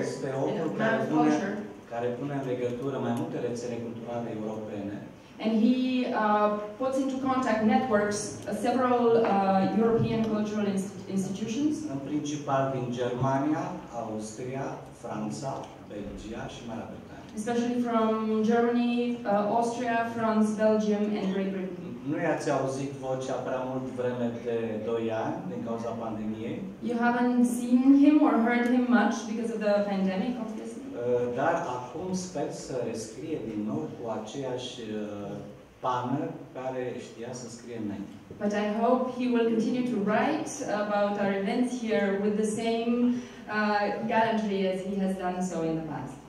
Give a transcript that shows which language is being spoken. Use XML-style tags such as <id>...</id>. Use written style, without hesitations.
<ro>Este omul care pune în legătură mai multe rețele culturale europene.</ro> <en>And he puts into contact networks several European cultural institutions.</en> <ro>În principal din Germania, Austria, Franța, Belgia și Marea Britanie.</ro> <en>Especially from Germany, Austria, France, Belgium and Great Britain.</en> <ro>Nu i-ați auzit vocea prea mult vreme de 2 ani din cauza pandemiei.</ro> <en>You haven't seen him or heard him much because of the pandemic, obviously.</en> <ro>Dar acum sper să rescrie din nou cu aceeași pană care știa să scrie înainte.</ro> <en>But I hope he will continue to write about our events here with the same gallantry as he has done so in the past.</en>